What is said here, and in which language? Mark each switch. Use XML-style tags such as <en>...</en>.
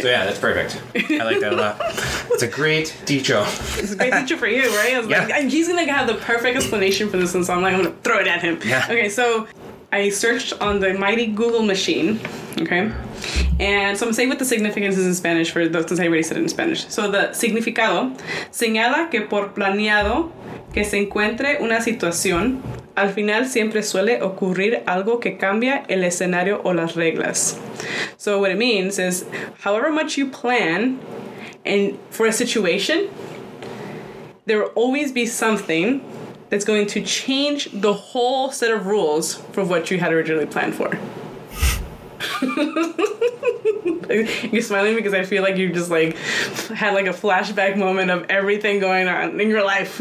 <en>So yeah, that's perfect. I like that a lot. It's a great dicho. It's a great dicho for you, right? I was yeah. like, he's gonna have the perfect explanation for this one, so I'm like, I'm gonna throw it at him. Yeah. Okay, so I searched on the mighty Google machine, okay? And so I'm saying what the significance is in Spanish for those, because I already said it in Spanish.</en> <es>So the significado, señala que por planeado que se encuentre una situación, al final siempre suele ocurrir algo que cambia el escenario o las reglas.</es> <en>So what it means is, however much you plan and for a situation, there will always be something that's going to change the whole set of rules from what you had originally planned for. You're smiling because I feel like you just like had like a flashback moment of everything going on in your life.</en>